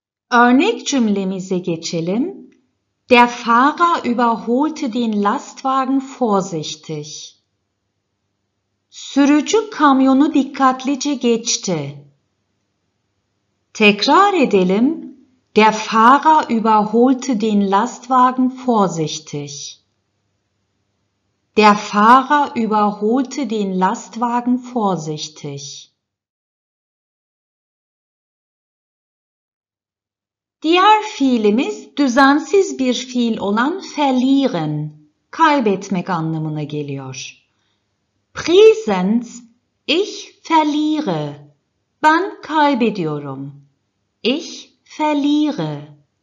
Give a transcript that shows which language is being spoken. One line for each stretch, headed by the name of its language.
Turkish: Örnek cümlemize geçelim.
German: Der Fahrer überholte den Lastwagen vorsichtig.
Turkish: Sürücü kamyonu dikkatlice geçti. Tekrar edelim.
German: Der Fahrer überholte den Lastwagen vorsichtig. Der Fahrer überholte den Lastwagen vorsichtig.
Turkish: Diğer fiilimiz düzensiz bir fiil olan verlieren, kaybetmek anlamına geliyor.
German: Präsens, ich verliere.
Turkish: Ben kaybediyorum.
German: Ich verliere.